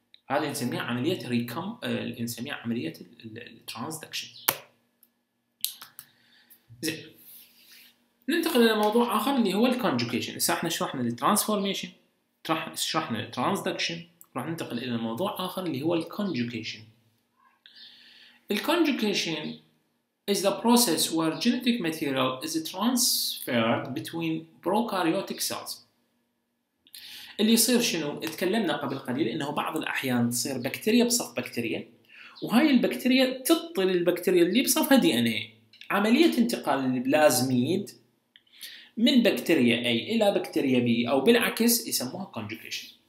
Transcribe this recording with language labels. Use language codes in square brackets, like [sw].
[ar] هذا نسميه عملية عملية الترانسدكشن. زين. ننتقل إلى موضوع آخر اللي هو الكونجوكيشن. هسه احنا شرحنا الترانسفورميشن، شرحنا الترانسدكشن، راح ننتقل إلى موضوع آخر اللي هو الكونجوكيشن. [en] الكونجوكيشن is the process where genetic material is transferred between prokaryotic cells. [ar] اللي يصير شنو؟ تكلمنا قبل قليل انه بعض الاحيان تصير بكتيريا بصف بكتيريا، وهاي البكتيريا تطل البكتيريا اللي بصفها دي ان اي، عمليه انتقال البلازميد من بكتيريا اي الى بكتيريا بي، او بالعكس يسموها كونجوجيشن.